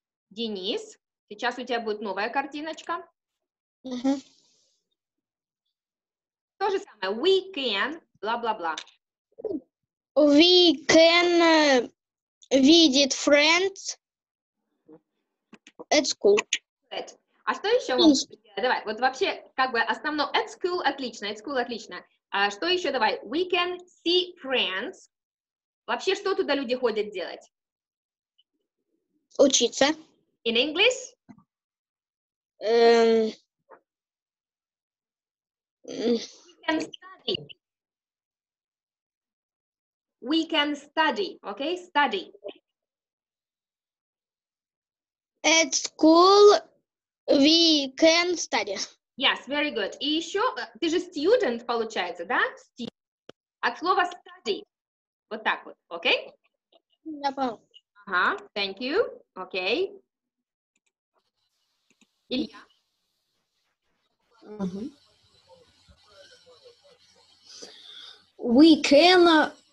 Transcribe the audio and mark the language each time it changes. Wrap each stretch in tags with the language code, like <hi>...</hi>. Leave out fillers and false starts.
<ru>Денис, сейчас у тебя будет новая картиночка. То же самое.</ru> <en>We can, бла-бла-бла. We can visit friends at school.</en> <ru>Good. А что еще? Давай, вот вообще, как бы, основное,</ru> <en>at school,</en> <ru>отлично, at school, отлично. А что еще, давай,</ru> <en>we can see friends.</en> <ru>Вообще, что туда люди ходят делать? Учиться.</ru> <en>In English? We can study. We can study, okay, study. At school... We can study. Yes, very good.</en> <ru>И еще, ты же student, получается, да? От слова study. Вот так вот, окей? Да, пожалуйста.</ru> <en>Ага, thank you.</en> <ru>Окей.</ru> <en>Okay. Илья? We can...</en>